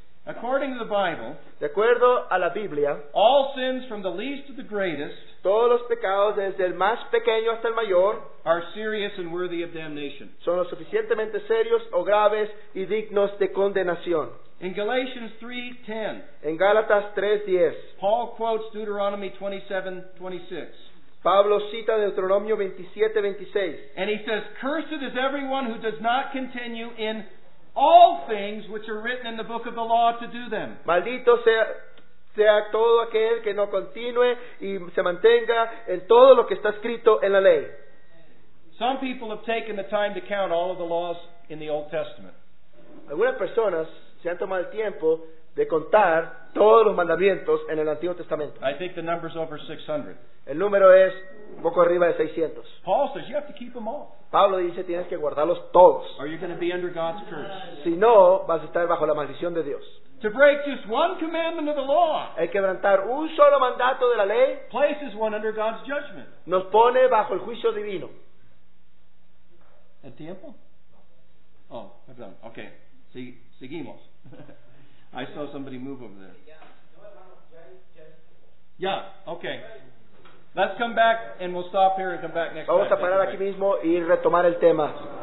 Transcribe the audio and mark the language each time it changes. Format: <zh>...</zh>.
<en>According to the Bible,</en> <es>de acuerdo a la Biblia,</es> <en>all sins from the least to the greatest,</en> <es>todos los pecados desde el más pequeño hasta el mayor,</es> <en>are serious and worthy of damnation.</en> <es>Son lo suficientemente serios o graves y dignos de condenación.</es> <en>In Galatians 3:10,</en> <es>en Gálatas 3:10,</es> <en>Paul quotes Deuteronomy 27:26.</en> <es>Pablo cita Deuteronomio 27:26.</es> <en>And he says, cursed is everyone who does not continue in all things which are written in the book of the law to do them.</en> <es>Maldito sea todo aquel que no continúe y se mantenga en todo lo que está escrito en la ley.</es> <en>Some people have taken the time to count all of the laws in the Old Testament.</en> <es>Algunas personas se han tomado el tiempo de contar todos los mandamientos en el Antiguo Testamento.</es> <en>I think the number's over 600.</en> <es>El número es poco arriba de 600.</es> <en>Paul says you have to keep them all.</en> <es>Pablo dice tienes que guardarlos todos.</es> <en>Or you're going to be under God's curse.</en> <es>Si no, vas a estar bajo la maldición de Dios.</es> <en>To break just one commandment of the law.</en> <es>El quebrantar un solo mandato de la ley.</es> <en>Places one under God's judgment.</en> <es>Nos pone bajo el juicio divino. ¿El tiempo? Oh, perdón. Okay. Seguimos.</es> <en>I saw somebody move over there. Yeah, okay. Let's come back and we'll stop here and come back next time.</en> <es>Vamos a parar aquí mismo y retomar el tema.</es>